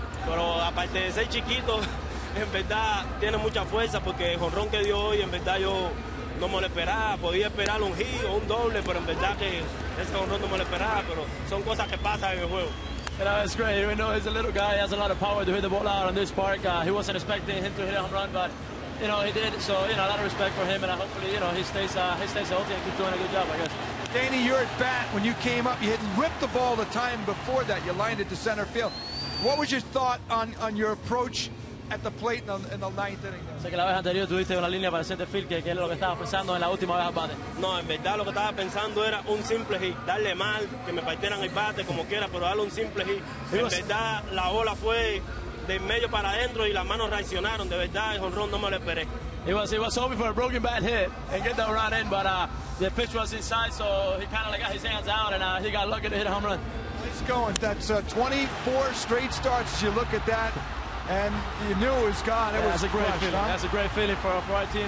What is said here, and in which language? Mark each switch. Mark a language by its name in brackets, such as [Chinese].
[Spanish] Pero aparte de ser chiquito, en verdad tiene mucha fuerza porque el jonrón que dio hoy, en verdad yo no me lo esperaba. Podía esperar un hit o un doble, pero en verdad que ese jonrón no me lo esperaba. Pero son cosas que pasan en el juego. [English] You know, it's great. Even though he's a little guy, he has a lot of power to hit the ball out on this park. He wasn't expecting him to hit a home run, but, you know, he did. So, you know, a lot of respect for him, and hopefully, you know, he stays healthy and keeps doing a good job, I guess. Danny, you're at bat. When you came up, you had ripped the ball the time before that. You lined it to center field. What was your thought on your approach at the plate in the ninth inning? [Spanish] Sé que la vez anterior tuviste una línea para center field, que es lo que estabas pensando en la última vez al bate. No, en verdad lo que estaba pensando era un simple hit, darle mal, que me partieran el bate como quiera, pero darle un simple hit. En verdad la ola fue de medio para adentro y las manos reaccionaron. De verdad el jonrón no me lo esperé. [English] He was hoping for a broken bat hit and get that run in, but the pitch was inside, so he kind of got his hands out and he got lucky to hit a home run. It's going. That's 24 straight starts. As you look at that. And you knew it was gone. It was a great feeling. That's a great feeling for our team.